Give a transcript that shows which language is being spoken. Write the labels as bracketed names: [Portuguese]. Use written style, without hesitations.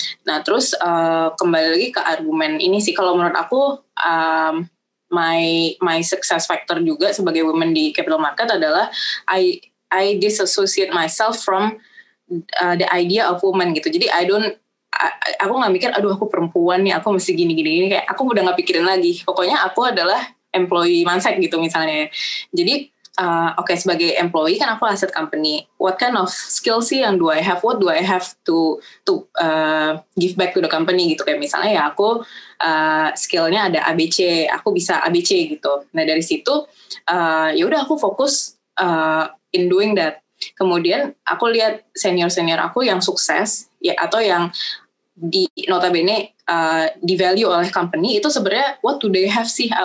[Indonesian] Nah terus kembali lagi ke argumen ini sih, kalau menurut aku my success factor juga sebagai women di capital market adalah [English] I disassociate myself from the idea of woman [Indonesian] gitu. Jadi aku nggak mikir, aduh aku perempuan nih, aku mesti gini, kayak aku udah nggak pikirin lagi. Pokoknya aku adalah employee mindset gitu misalnya. Jadi okay, sebagai employee kan aku aset company. [English] What kind of skill [Indonesian] sih yang [English] do I have? What do I have to give back to the company [Indonesian] gitu? Kayak misalnya ya aku skillnya ada ABC, aku bisa ABC gitu. Nah dari situ ya udah aku fokus [English] in doing that. [Indonesian] Kemudian aku lihat senior aku yang sukses ya, atau yang di notabene di value oleh company itu, sebenarnya [English] what do they have [Indonesian] sih?